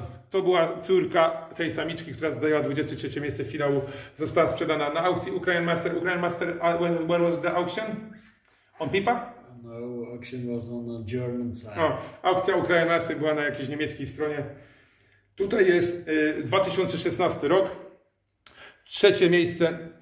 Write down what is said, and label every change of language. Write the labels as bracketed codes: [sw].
[pl] To była córka tej samiczki, która zdała 23 miejsce w finału. Została sprzedana na aukcji Ukrainian Master. [en] Ukrainian Master, where was the auction? On Pipa? No, auction was on the German side. [pl] Aukcja Ukrainian Master była na jakiejś niemieckiej stronie. Tutaj jest 2016 rok. Trzecie miejsce.